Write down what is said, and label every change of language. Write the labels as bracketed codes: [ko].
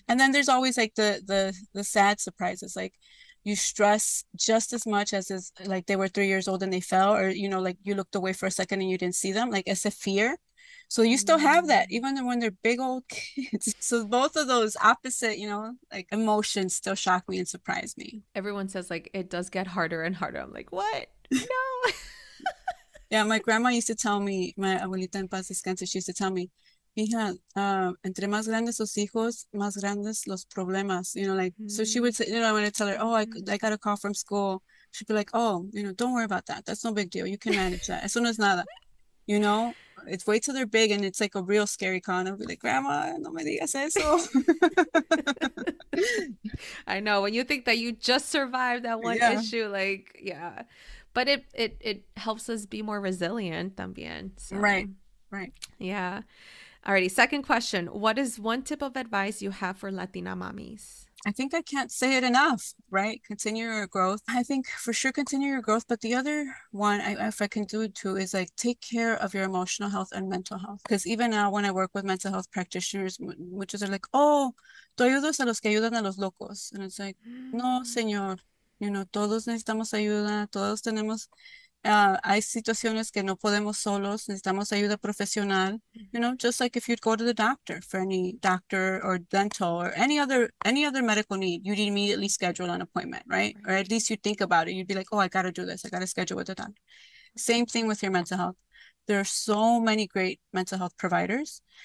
[en] And then there's always like the sad surprises, like you stress just as much as is like they were 3 years old and they fell, or, you know, like you looked away for a second and you didn't see them, like it's a fear. So you still have that, even when they're big old kids. So both of those opposite, you know, like emotions still shock me and surprise me. Everyone says like, it does get harder and harder. I'm like, what? No. Yeah, my grandma used to tell me, my [es] abuelita en paz descanse, [en] she used to tell me, [es] mija, entre más grandes los hijos, más grandes los problemas. [en] You know, like, so she would say, you know, I want to tell her, oh, I got a call from school. She'd be like, oh, you know, don't worry about that. That's no big deal. You can manage that. As soon as [es] nada, [en] you know? It's wait till they're big and it's like a real scary con. I'll be like, grandma, [es] no me digas eso. [en] I know, when you think that you just survived that one issue, like, yeah, but it helps us be more resilient [es] también, [en] so. right. Yeah. Alrighty, second question, what is one tip of advice you have for Latina mommies? I think I can't say it enough, right? Continue your growth. I think for sure, continue your growth. But the other one, if I can do it too, is like take care of your emotional health and mental health. Because even now when I work with mental health practitioners, which is like, oh, [es] tú ayudas a los que ayudan a los locos. [en] And it's like, [es] no, señor. [en] You know, [es] todos necesitamos ayuda. Todos tenemos, hay situaciones que no podemos solos. Necesitamos ayuda profesional. [en] You know, just like if you'd go to the doctor for any doctor or dental or any other medical need, you'd immediately schedule an appointment, right? Or at least you'd think about it. You'd be like, oh, I got to do this. I got to schedule with the doctor. Same thing with your mental health. There are so many great mental health providers.